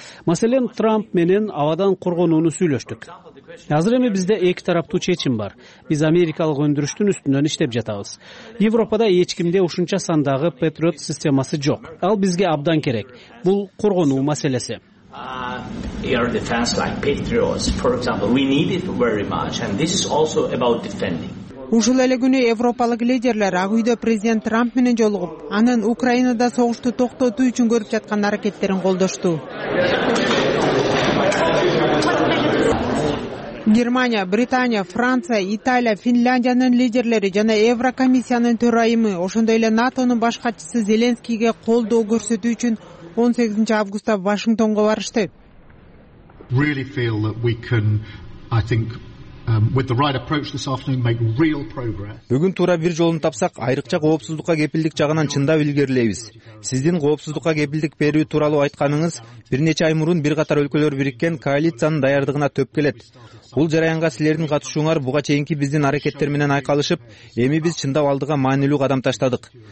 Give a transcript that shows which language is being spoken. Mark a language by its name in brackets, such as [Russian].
[Kyrgyz] Маселен, Трамп менен абадан коргоонуну сүйлөштүк. Азыр эми бизде эки тараптуу чечим бар. Биз америкалык өндүрүштүн үстүнөн иштеп жатабыз. Европада эч кимде ушунча сандагы Патриот системасы жок. Ал бизге абдан керек. Бул коргоонуу маселеси. [English] Air defense like Patriots, for example, we need it very much and this is also about defending. [Kyrgyz] Ушул эле күнү европалык лидерлер Ак Үйдө президент Трамп менен жолугуп, анын Украинада согушту токтотуу үчүн көрүп жаткан аракеттерин колдошту. Германия, Британия, Франция, Италия, Финляндиянын лидерлери жана Еврокомиссиянын төрайымы, ошондой эле НАТОнун баш катчысы Зеленскийге колдоо көрсөтүү үчүн 18 августта Вашингтонго барышты. [English] Really feel that we can, I think, with the right approach this afternoon make real progress. [Kyrgyz] Бүгүн туура бир жолун тапсак, айрыкча коопсуздукка кепилдик жагынан чындап илгерилейбиз. Сиздин коопсуздукка кепилдик берүү тууралуу айтканыңыз бир нече ай мурун бир катар өлкөлөр бириккен коалициянын даярдыгына төп келет. Бул жараянга силердин катышууңар буга чейинки биздин аракеттер менен айкалышып, эми биз чындап алдыга маанилүү кадам таштадык.